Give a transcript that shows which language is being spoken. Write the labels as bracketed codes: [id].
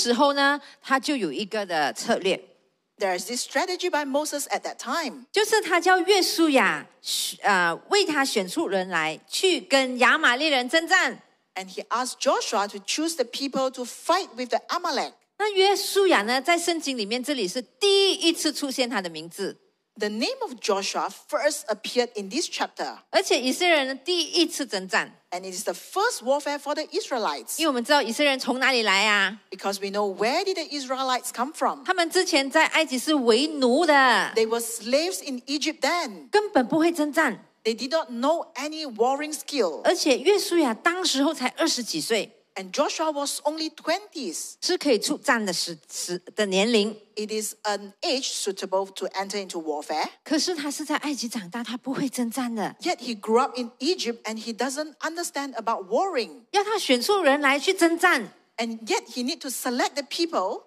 [zh] 摩西对约书亚说：“你为我们选出人来，出去和亚玛力人征战。明天我手里要拿着神的杖，站在山顶上。”于是约书亚照着摩西对他所说的话行，和亚玛力人征战。摩西、亚伦与户珥都上了山顶。摩西何时举手，以色列人就得胜；何时垂手，亚玛力人就得胜。好，摩西在这时候呢，他就有一个的策略。 [en] There is this strategy by Moses at that time. [zh] 就是他叫约书亚为他选出人来去跟亚玛力人征战。 [en] And he asked Joshua to choose the people to fight with the Amalek. [zh] 那约书亚呢，在圣经里面这里是第一次出现他的名字。 [en] The name of Joshua first appeared in this chapter. [zh] 而且以色列人第一次征战。 [en] And it is the first warfare for the Israelites. [zh] 因为我们知道以色列人从哪里来啊。 [en] Because we know where did the Israelites come from. [zh] 他们之前在埃及是为奴的。 [en] They were slaves in Egypt then. [zh] 根本不会征战。 [en] They did not know any warring skill. [zh] 而且约书亚当时候才二十几岁。 [en] And Joshua was only 20s. [zh] 是可以出战的年龄。 [en] It is an age suitable to enter into warfare. [zh] 可是他是在埃及长大，他不会征战的。 [en] Yet he grew up in Egypt and he doesn't understand about warring. [zh] 要他选出人来去征战。 [en] And yet he need to select the people.